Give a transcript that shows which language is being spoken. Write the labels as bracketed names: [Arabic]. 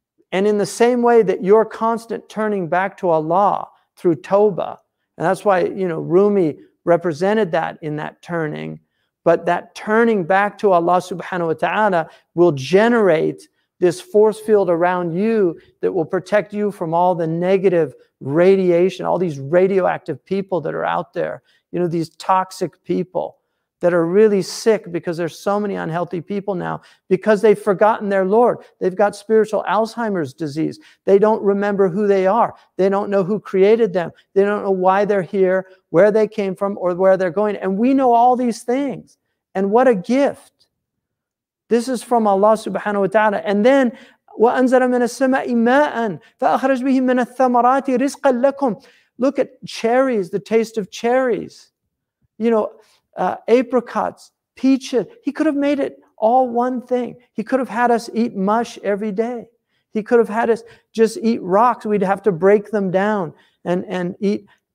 [English] And in the same way that you're constant turning back to Allah through Tawbah, and that's why, you know, Rumi represented that in that turning, but that turning back to Allah subhanahu wa ta'ala will generate this force field around you that will protect you from all the negative radiation, all these radioactive people that are out there, you know, these toxic people that are really sick because there's so many unhealthy people now because they've forgotten their Lord. They've got spiritual Alzheimer's disease. They don't remember who they are. They don't know who created them. They don't know why they're here, where they came from, or where they're going. And we know all these things. And what a gift. This is from Allah subhanahu wa ta'ala. And then, [Arabic] وَأَنزَلَ مِنَ السَّمَاءِ مَاءً فَأَخْرَجْ بِهِ مِنَ الثَّمَرَاتِ رِزْقًا لَكُمْ. [English] Look at cherries, the taste of cherries. You know, apricots, peaches. He could have made it all one thing. He could have had us eat mush every day. He could have had us just eat rocks. We'd have to break them down and eat.